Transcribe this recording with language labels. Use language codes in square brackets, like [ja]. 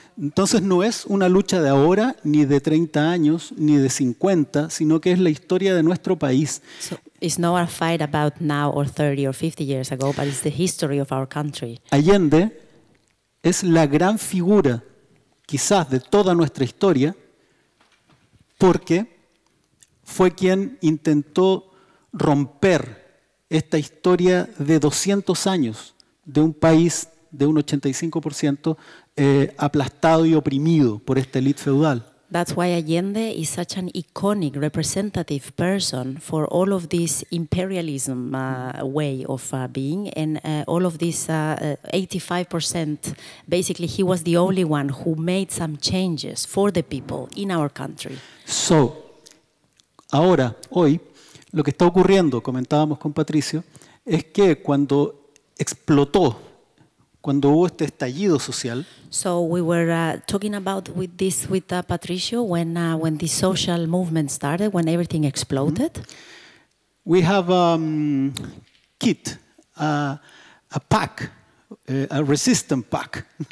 [es] Entonces no es una lucha de ahora, ni de 30 años, ni de 50, sino que es la historia de nuestro país. [en] It's not a fight about now or 30 or 50 years ago, but it's the history of our country. [es] Allende es la gran figura, quizás, de toda nuestra historia, porque fue quien intentó romper esta historia de 200 años de un país de un 85% aplastado y oprimido por esta élite feudal. [en] That's why Allende is such an iconic representative person for all of this imperialism way of being, and all of this 85%, basically he was the only one who made some changes for the people in our country. [es] So, ahora, hoy, lo que está ocurriendo, comentábamos con Patricio, es que cuando explotó, cuando hubo este estallido social. [en] So we were talking about with this with Patricio when the social movement started, when everything exploded. We have a kit, a pack, a resistance pack.